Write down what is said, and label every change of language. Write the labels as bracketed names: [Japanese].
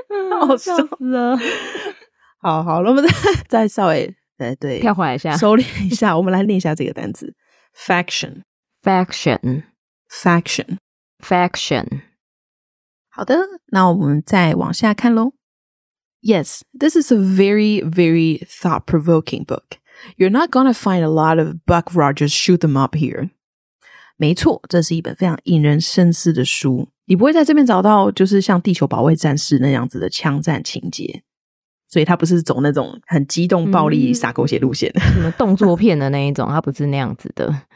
[Chinese] 好笑了。好好，那我们再稍微对跳回来一下，收敛一下，我们来念一下这个单词 faction。 [English] faction。 faction。 faction。 [Chinese] 好的，那我们再往下看咯。 [English] Yes, this is a very, very thought-provoking book. You're not gonna find a lot of Buck Rogers shoot them up here. [Chinese] 没错，这是一本非常引人深思的书。你不会在这边找到就是像地球保卫战士那样子的枪战情节。所以他不是走那种很激动暴力撒狗血路线。什么动作片的那一种，他不是那样子的。